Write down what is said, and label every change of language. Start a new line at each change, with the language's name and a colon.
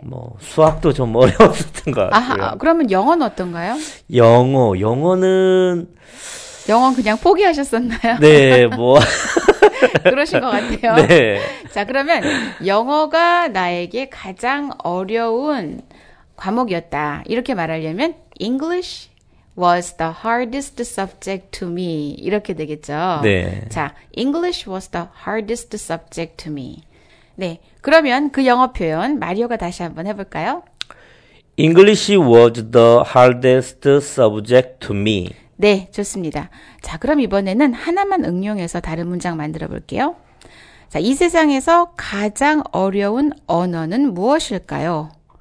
Korean: 뭐 수학도 좀 어려웠었던 것 같고요. 아, 그러면 영어는 어떤가요? 영어는 영어는 그냥 포기하셨었나요? 네, 뭐 그러신 것 같아요. 네. 자, 그러면 영어가 나에게 가장 어려운 과목이었다. 이렇게 말하려면
English: English was the hardest subject to me.
Korean: 이렇게 되겠죠? 네.
English: 자, English was the hardest subject to me.
Korean: 네, 그러면 그 영어 표현 마리오가 다시 한번 해볼까요?
English: English was the hardest subject to me.
Korean: 네, 좋습니다. 자, 그럼 이번에는 하나만 응용해서 다른 문장 만들어 볼게요. 자, 이 세상에서 가장 어려운 언어는 무엇일까요?